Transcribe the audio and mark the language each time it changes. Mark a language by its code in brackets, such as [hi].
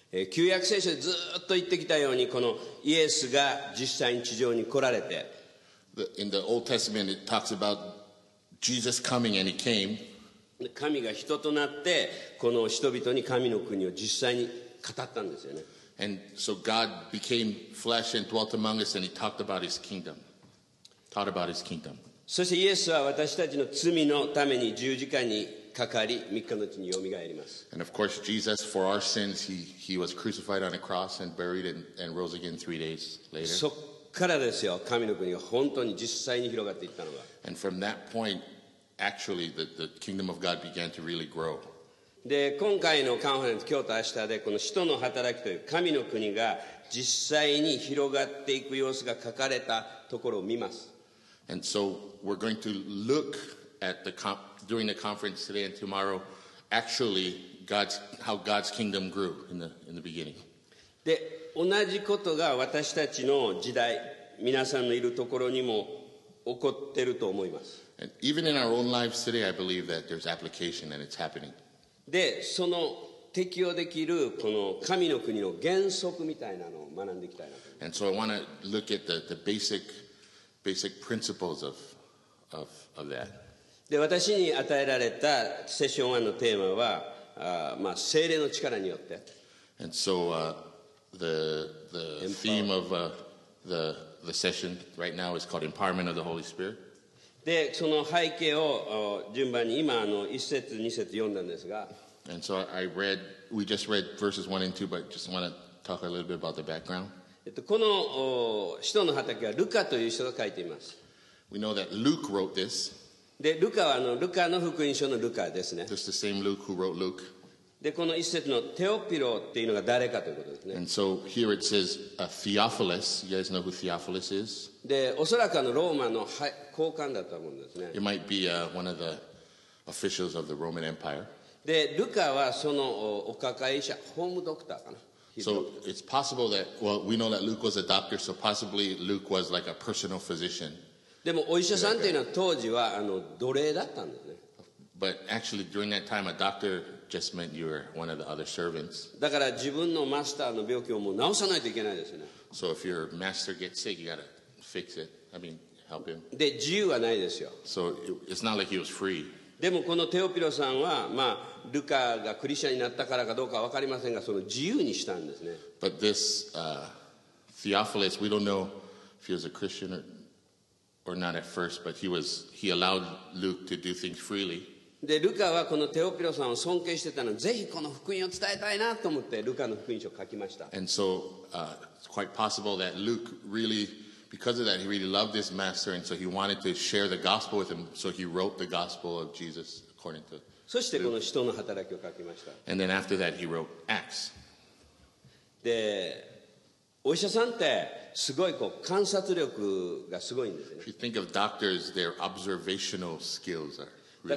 [ja] 旧約聖書でずっと言ってきたように、このイエスが実際に地上に来られて。 [en] In the Old Testament, it talks about Jesus coming and he came. [ja] 神が人となってこの人々に神の国を実際に語ったんですよね。 [en] And so God became flesh and dwelt among us, and He talked about His kingdom. Taught about His kingdom. [ja] そしてイエスは私たちの罪のために十字架にかかり、3日のうちによみがえります。 [en] And of course, Jesus, for our sins, He was crucified on a cross and buried and rose again 3 days later. [ja] そこからですよ、神の国が本当に実際に広がっていったのが。 [en] And from that point,Actually, the kingdom of God began to really grow. [ja] で、今回のカンファレンス、今日と明日で、この使徒の働きという神の国が実際に広がっていく様子が書かれたところを見ます。 [en] And so we're going to look at the during the conference today and tomorrow, actually how God's kingdom grew in the beginning. [ja] で、同じことが私たちの時代、皆さんのいるところにも起こっていると思います。 [en] And even in our own lives today, I believe that there's application and it's happening. [ja] で、その適用できるこの神の国の原則みたいなのを学んでいきたいな。 [en] And so I want to look at the basic principles of that. [ja] で、私に与えられたセッション1のテーマは、まあ、聖霊の力によって。 [en] And so the theme of the session right now is called Empowerment of the Holy Spirit. [ja] でその背景を順番に今1節2節読んだんですが、 [en] And so I read, we just read verses 1 and 2, but just want to talk a little bit about the background. [ja] この使徒の畑はルカという人が書いています。 [en] We know that Luke wrote this. [ja] でルカはルカの福音書のルカですね。 [en] Just the same Luke who wrote Luke. [ja] でこの1節のテオピロっていうのが誰かということですね。 [en] And so here it says a Theophilus. You guys know who Theophilus is? [ja] でおそらくローマの高官だと思うんですね。 [en] It might be one of the officials of the Roman Empire. [ja] でルカはそのお抱え医者ホームドクターかな。 [en] So it's possible that, well, we know that Luke was a doctor, so possibly Luke was like a personal physician. [ja] でもお医者さんっていうのは当時は奴隷だったんですね。 [en] But actually during that time, a doctor just meant you were one of the other servants. だから自分のマスターの病気をもう治さないといけないですね。 So if your master gets sick, you gotta fix it. I mean, help him. [ja] で自由はないですよ。 [en] So it's not like he was free. [ja] でもこのテオピロさんは、まあ、ルカがクリスチャンになったからかどうかは分かりませんが、その自由にしたんですね。 [en] But this, Theophilus, we don't know if he was a Christian or not at first, but he allowed Luke to do things freely. [ja] で、ルカはこのテオピロさんを尊敬してたので、ぜひこの福音を伝えたいなと思って、ルカの福音書を書きました。 [en] And so, it's quite possible that Luke really... Because of that, he really loved his master, and so he wanted to share the gospel with him. So he wrote the gospel of Jesus according to. [ja] そしてこの使徒の働きを書きました。 [en] And then after that, he wrote Acts. [ja] で、お医者さんってすごいこう観察力がすごいんですね。 [en] If you think of doctors, their observational skills are really good.